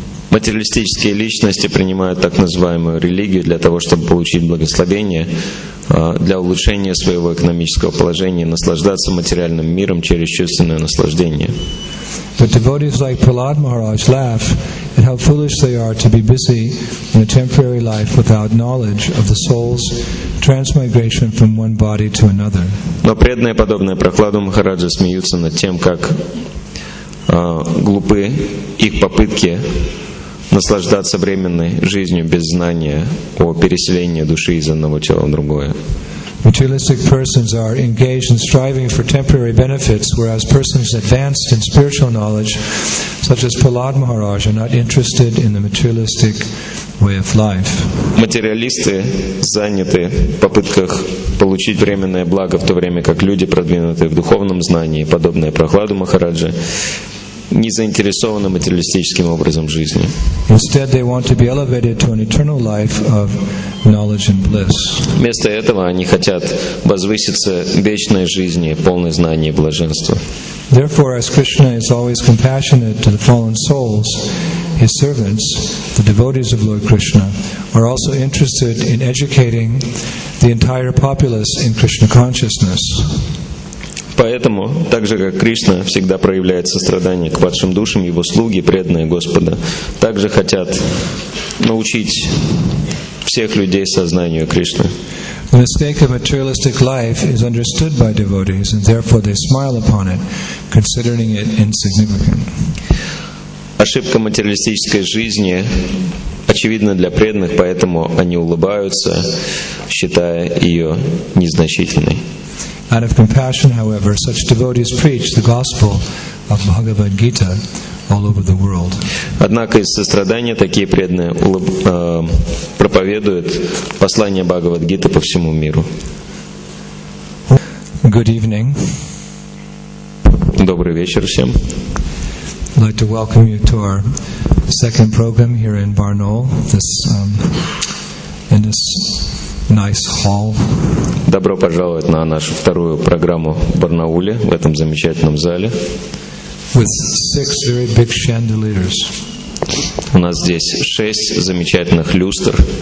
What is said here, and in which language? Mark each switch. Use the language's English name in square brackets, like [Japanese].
[Russian] Материалистические личности принимают так называемую религию для того, чтобы получить благословение для улучшения своего экономического положения, наслаждаться материальным миром через чувственное наслаждение. [English] But devotees like Prahlad Maharaj laugh at how foolish they are to be busy in a temporary life without knowledge of the soul's transmigration from one body to another. [Russian] Но преданные, подобные Прахладу Махараджа, смеются над тем, как глупы их попытки наслаждаться временной жизнью без знания о переселении души из одного тела в другое. [English] Materialistic persons are engaged in striving for temporary benefits, whereas persons advanced in spiritual knowledge, such as Prahlad Maharaj, are not interested in the materialistic way of life. [Russian] Материалисты заняты в попытках получить временное благо, в то время как люди, продвинутые в духовном знании, подобные Прахладу Махараджи, не заинтересованы материалистическим образом жизни. [English] Instead, they want to be elevated to an eternal life of knowledge and bliss. [Russian] Вместо этого они хотят возвыситься вечной жизни, полной знания и блаженства. [English] Therefore, as Krishna is always compassionate to the fallen souls, his servants, the devotees of Lord Krishna, are also interested in educating the entire populace in Krishna consciousness. [Russian] Поэтому, так же как Кришна всегда проявляет сострадание к падшим душам, его слуги, преданные Господа, также хотят научить всех людей сознанию Кришны. [English] The mistake of materialistic life is understood by devotees, and therefore they smile upon it, considering it insignificant. [Russian] Ошибка материалистической жизни очевидна для преданных, поэтому они улыбаются, считая ее незначительной. [English] Out of compassion, however, such devotees preach the gospel of Bhagavad Gita all over the world. [Russian] Однако из сострадания такие преданные проповедуют послание Бхагавад Гиты по всему миру. [English] Good evening. [Russian] Добрый вечер всем. [English] I'd like to welcome you to our second program here in Barnaul. This in this nice hall. [Russian] Добро пожаловать на нашу вторую программу в Барнауле, в этом замечательном зале. [English] With six very big chandeliers. [Russian] У нас здесь шесть замечательных люстр.